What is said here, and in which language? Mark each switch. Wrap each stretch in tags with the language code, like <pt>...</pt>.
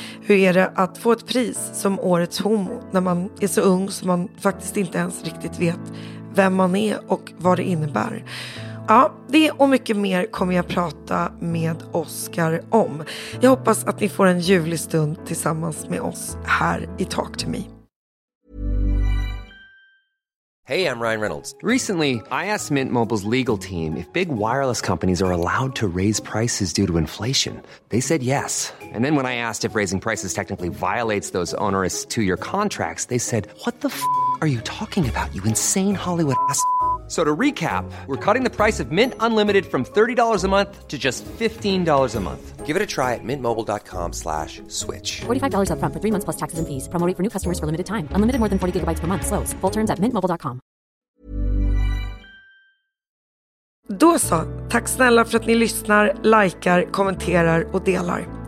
<sv>Hur är det att få ett pris som årets homo när man är så ung så man faktiskt inte ens riktigt vet vem man är och vad det innebär? Ja, det och mycket mer kommer jag prata med Oscar om. Jag hoppas att ni får en ljuvlig stund tillsammans med oss här i Talk to Me.</sv> <en>Hey, I'm Ryan Reynolds. Recently, I asked Mint Mobile's legal team if big wireless companies are allowed to raise prices due to inflation. They said yes. And then when I asked if raising prices technically violates those onerous two-year contracts, they said, what the f*** are you talking about, you insane Hollywood ass? So to recap, we're cutting the price of Mint Unlimited from $30 a month to just $15 a month. Give it a try at mintmobile.com/switch. $45 up front for 3 months plus taxes and fees. Promo rate for new customers for limited time. Unlimited more than 40 gigabytes per month. Slows full terms at mintmobile.com.</en> <sv>Då så, tack snälla för att ni lyssnar, likar, kommenterar och delar.</sv>